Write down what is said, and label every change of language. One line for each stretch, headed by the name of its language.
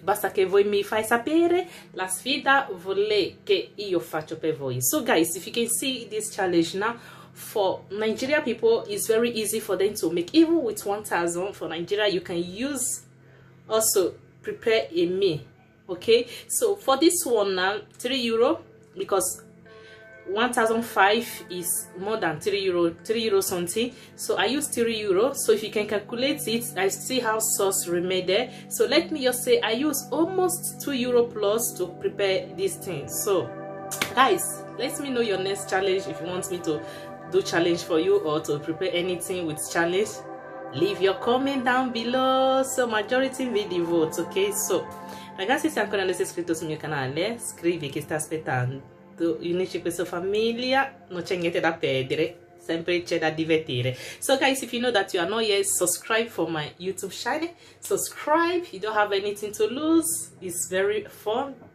Italian: Basta che voi mi fai sapere la sfida volete che io faccio per voi.
English: So guys, if you can see this challenge now, for Nigeria people, it's very easy for them to make. Even with 1,000 for Nigeria, you can use also prepare a meal, ok? So for this one now, €3, because 1,005 is more than €3 something, so I use €3, so if you can calculate it, I see how sauce remain there, so let me just say I use almost €2 plus to prepare this thing. So guys, let me know your next challenge, if you want me to do challenge for you or to prepare anything with challenge, leave your comment down below, so majority will the vote, okay, so
Italian: ragazzi, se ancora non sei iscritto sul mio canale, scrivi che sta aspettando. Tu unisci questa famiglia, non c'è niente da perdere, sempre c'è da divertire.
English: So guys, if you know that you are not yet, subscribe for my YouTube channel. Subscribe, you don't have anything to lose, it's very fun,